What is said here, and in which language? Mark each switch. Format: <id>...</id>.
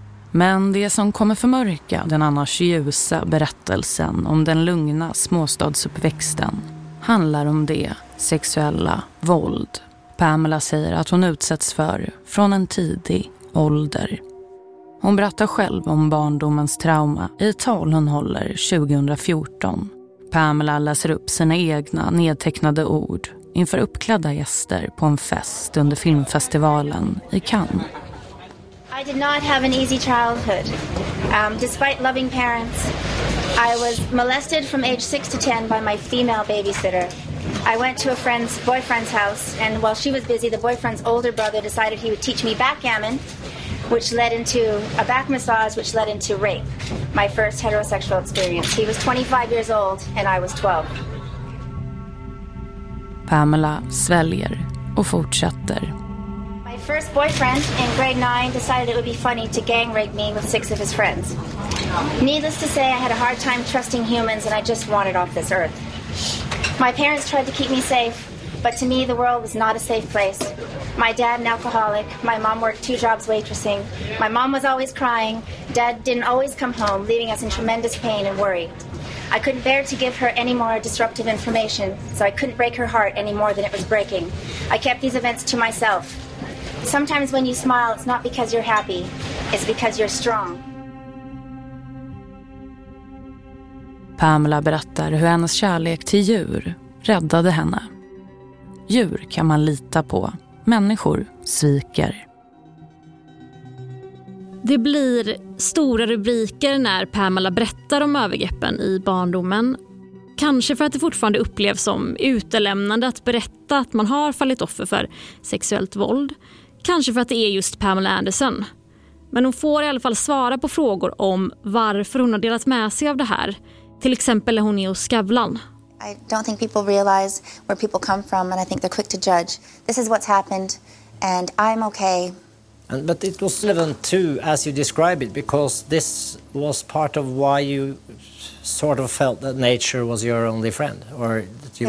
<sv>Men det som kommer förmörka den annars ljusa berättelsen om den lugna småstadsuppväxten handlar om det sexuella våld Pamela säger att hon utsätts för från en tidig ålder. Hon berättar själv om barndomens trauma i tal hon håller 2014. Pamela läser upp sina egna nedtecknade ord inför uppklädda gäster på en fest under filmfestivalen i Cannes.</sv> <en>I did not have an easy childhood. Despite loving parents, I was molested from age 6 to 10 by my female babysitter. I went to a friend's boyfriend's house, and while she was busy, the boyfriend's older brother decided he would teach me backgammon, which led into a back massage, which led into rape, my first heterosexual experience. He was 25 years old, and I was 12. Pamela sväljer och fortsätter. My first boyfriend in grade 9 decided it would be funny to gang rape me with 6 of his friends. Needless to say, I had a hard time trusting humans and I just wanted off this earth. My parents tried to keep me safe, but to me the world was not a safe place. My dad an alcoholic, my mom worked 2 jobs waitressing, my mom was always crying, dad didn't always come home, leaving us in tremendous pain and worry. I couldn't bear to give her any more disruptive information, so I couldn't break her heart any more than it was breaking. I kept these events to myself. Sometimes when you smile, it's not because you're happy, it's because you're strong.</en> <sv>Pamela berättar hur hennes kärlek till djur räddade henne. Djur kan man lita på. Människor sviker. Det blir stora rubriker när Pamela berättar om övergreppen i barndomen. Kanske för att det fortfarande upplevs som utelämnande att berätta att man har fallit offer för sexuellt våld. Kanske för att det är just Pamela Anderson. Men hon får i alla fall svara på frågor om varför hon har delat med sig av det här. Till exempel är hon i Skavlan.</sv> <en>I don't think people realize where people come from and I think they're quick to judge. This is what's happened and I'm okay. And, but it was relevant too, as you describe it, because this was part of why you sort of felt that nature was your only friend, or that you</en>